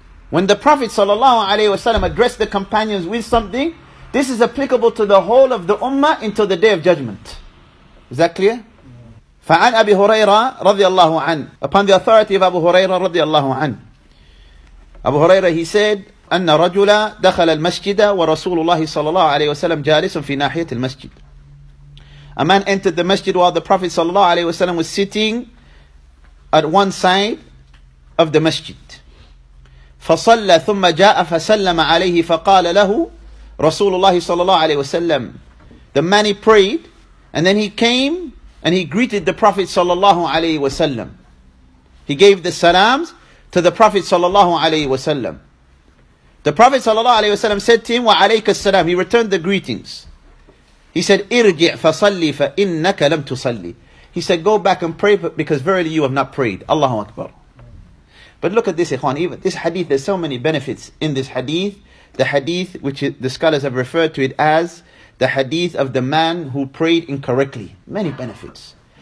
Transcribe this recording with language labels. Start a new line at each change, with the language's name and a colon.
English: When the Prophet sallallahu alayhi wa sallam addressed the companions with something, this is applicable to the whole of the ummah until the Day of Judgment. Is that clear?
Arabic: فَعَنْ أَبِي هُرَيْرَى رَضِيَ اللَّهُ عَنْ.
English: Upon the authority of Abu Huraira رَضِيَ اللَّهُ عَنْ. Abu Huraira, he said,
Arabic: أن رجلا دخل المسجد ورسول الله صلى الله عليه وسلم جالس في ناحية المسجد.
English: A man entered the masjid while the Prophet صلى الله عليه وسلم was sitting at one side of the masjid.
Arabic: فصلى ثم جاء فسلم عليه فقال له رسول الله صلى الله عليه وسلم.
English: The man, he prayed and then he came and he greeted the Prophet صلى الله عليه وسلم. He gave the salams to the Prophet صلى الله عليه وسلم. The Prophet صلى الله عليه وسلم said to him,
Arabic: وَعَلَيْكَ السَّلَامِ.
English: He returned the greetings. He said,
Arabic: إِرْجِعْ فَصَلِّ فَإِنَّكَ لَمْ تُصَلِّ.
English: He said, go back and pray because verily you have not prayed. Allahu Akbar. But look at this, ikhwan. Even this hadith, there's so many benefits in this hadith. The hadith which the scholars have referred to it as the hadith of the man who prayed incorrectly. Many benefits.